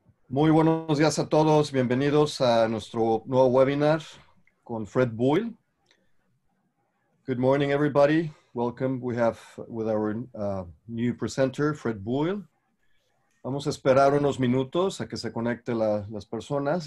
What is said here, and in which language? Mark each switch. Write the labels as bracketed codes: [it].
[es] Muy buenos días a todos, bienvenidos a nuestro nuevo webinar con Fred Buyle. [en] Good morning, everybody. Welcome. We have with our new presenter, Fred Buyle. [es] Vamos a esperar unos minutos a que se conecte las personas.